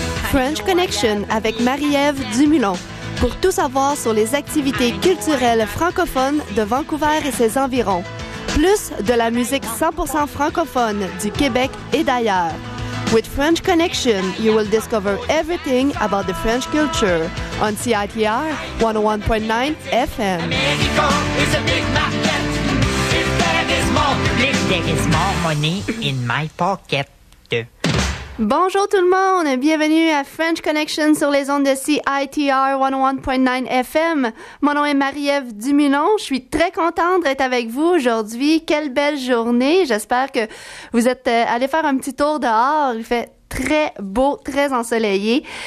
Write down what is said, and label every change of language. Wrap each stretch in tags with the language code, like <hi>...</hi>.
<fr>French Connection avec Marie-Ève Dumoulin pour tout savoir sur les activités culturelles francophones de Vancouver et ses environs, plus de la musique 100% francophone du Québec et d'ailleurs.</fr> <en>With French Connection, you will discover everything about the French culture on CITR 101.9 FM. America is a big market. If there is more, if there is more money in my pocket.</en> <fr>Bonjour tout le monde, bienvenue à French Connection sur les ondes de CITR 101.9 FM. Mon nom est Marie-Ève Dumoulin, je suis très contente d'être avec vous aujourd'hui. Quelle belle journée, j'espère que vous êtes allés faire un petit tour dehors, il fait très beau, très ensoleillé.</fr>